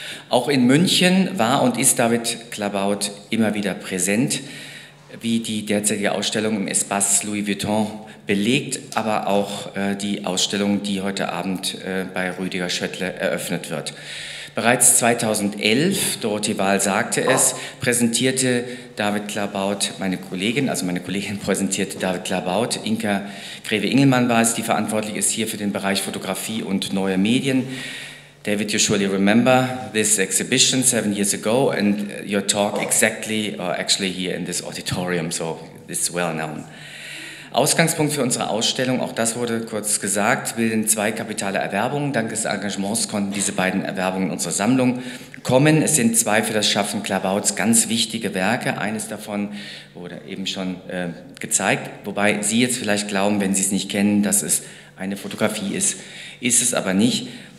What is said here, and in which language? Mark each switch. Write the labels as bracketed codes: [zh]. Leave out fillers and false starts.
[de] Auch in München war und ist David Claerbout immer wieder präsent, wie die derzeitige Ausstellung im Espace Louis Vuitton belegt, aber auch die Ausstellung, die heute Abend bei Rüdiger Schöttle eröffnet wird. Bereits 2011, Dorothee Wahl sagte es, präsentierte David Claerbout, meine Kollegin präsentierte David Claerbout, Inka Greve-Ingelmann war es, die verantwortlich ist hier für den Bereich Fotografie und neue Medien, [en] David, you surely remember this exhibition 7 years ago and your talk exactly, or actually here in this auditorium, so it's well known. [de] Ausgangspunkt für unsere Ausstellung, auch das wurde kurz gesagt, bilden zwei kapitale Erwerbungen. Dank des Engagements konnten diese beiden Erwerbungen in unsere Sammlung kommen. Es sind zwei für das Schaffen Claerbouts ganz wichtige Werke. Eines davon wurde eben schon gezeigt, wobei Sie jetzt vielleicht glauben, wenn Sie es nicht kennen, dass es eine Fotografie ist. Ist es aber nicht.